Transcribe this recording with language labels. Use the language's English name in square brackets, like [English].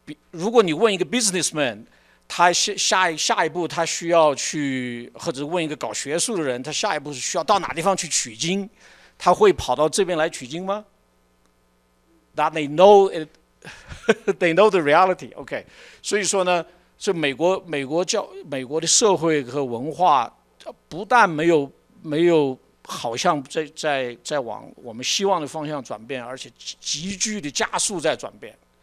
[Chinese] 如果你问一个 businessman， 他 下一步他需要去，或者问一个搞学术的人，他下一步是需要到哪地方去取经，他会跑到这边来取经吗？ [English] That they know it, they know the reality. [Chinese] OK， 所以说呢，这美国的社会和文化，不但没有好像在往我们希望的方向转变，而且急剧的加速在转变。